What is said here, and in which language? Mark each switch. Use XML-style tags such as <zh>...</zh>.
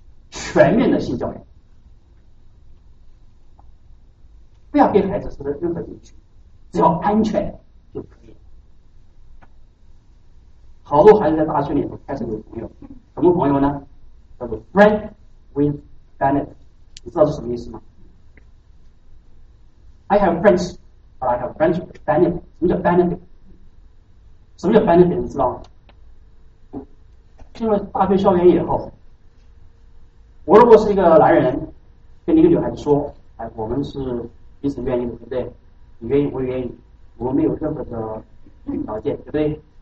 <zh>全面的性教育，不要给孩子受到任何扭曲，只要安全就可以。好多孩子在大学里头开始有朋友，什么朋友呢？叫做</zh> <en>friend with benefit，</en> <zh>你知道是什么意思吗？</zh> <en>I have friends But I have friends with benefit.</en> <zh>什么叫</zh> <en>benefit?</en> <zh>什么叫 benefit? 你知道吗？进入大学校园以后，我如果是一个男人，跟你一个女孩子说，哎，我们是彼此愿意的，对不对？你愿意，我愿意，我没有任何的条件，对不对？</zh>